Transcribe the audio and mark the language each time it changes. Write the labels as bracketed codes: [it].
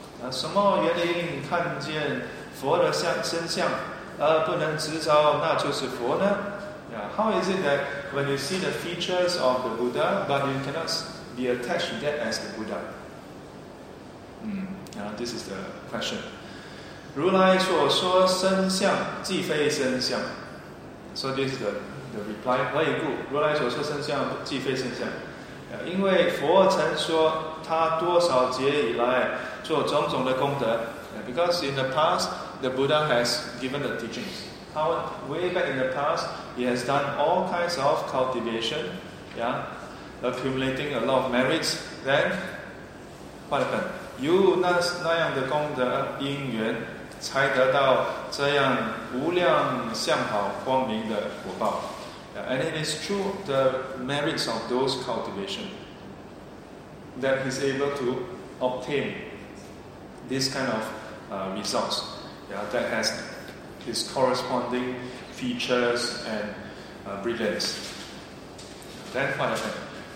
[zh] 什么原因看见佛的身相而不能执着那就是佛呢 yeah? [en] How is it that when you see the features of the Buddha, but you cannot be attached to that as the Buddha? This is the question. [zh] 如来所说身相即非身相 [en] So this is the reply, [zh] 何以故？如来所说身相即非身相。因为佛曾说他多少劫以来做种种的功德。 [en] Because in the past, the Buddha has given the teachings. How way back in the past, he has done all kinds of cultivation, yeah, accumulating a lot of merits. Then, what happened? [zh] 有那样的功德因缘才得到这样无量相好光明的果报。 [en] And it is true the merits of those cultivation that he's able to obtain this kind of results yeah, that has his corresponding features and brilliance. Then what happened?